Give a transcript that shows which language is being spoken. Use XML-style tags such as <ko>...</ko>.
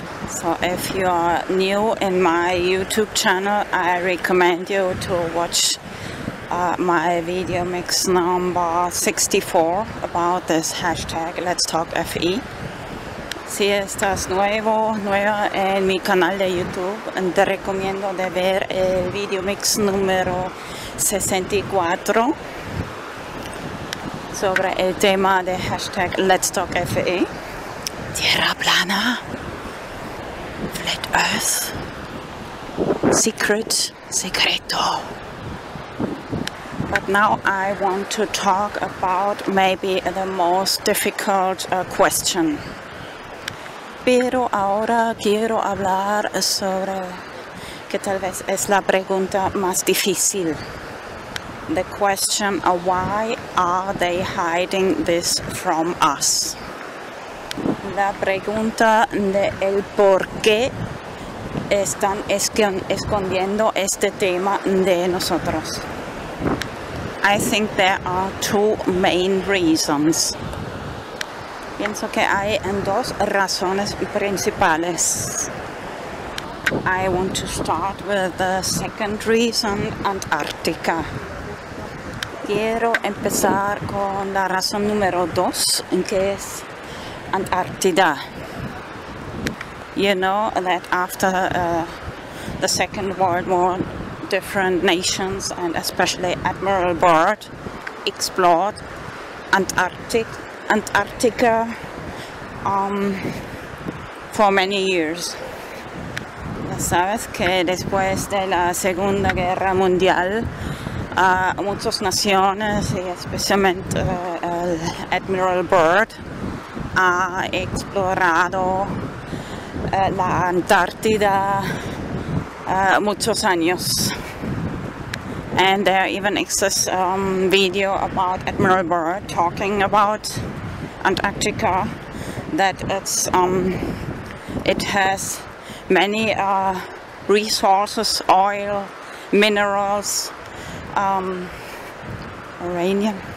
<en>So if you are new in my YouTube channel, I recommend you to watch my video mix number 64 about this hashtag Let's Talk FE.</en> <es>Si estás nuevo, nueva en mi canal de YouTube, te recomiendo de ver el video mix número 64 sobre el tema de hashtag Let's Talk FE. Tierra plana,</es> <en>Flat Earth,</en> <es>Secret, Secreto.</es> <en>But now I want to talk about maybe the most difficult question.</en> <es>Pero ahora quiero hablar sobre que tal vez es la pregunta más difícil.</es> <en>The question, why are they hiding this from us?</en> <es>La pregunta de el por qué están escondiendo este tema de nosotros.</es> <en>I think there are two main reasons.</en> <es>Pienso que hay dos razones principales.</es> <en>I want to start with the second reason, Antarctica.</en> <es>Quiero empezar con la razón número dos, que es Antarctica.</es> <en>You know that after the Second World War, different nations, and especially Admiral Byrd, explored Antarctica for many years.</en> <es>Ya sabes que después de la Segunda Guerra Mundial, muchas naciones, y especialmente el Admiral Byrd, ha explorado la Antártida muchos años.</es> <en>And there even exists a video about Admiral Byrd talking about Antarctica, that it's it has many resources, oil, minerals, uranium.</en>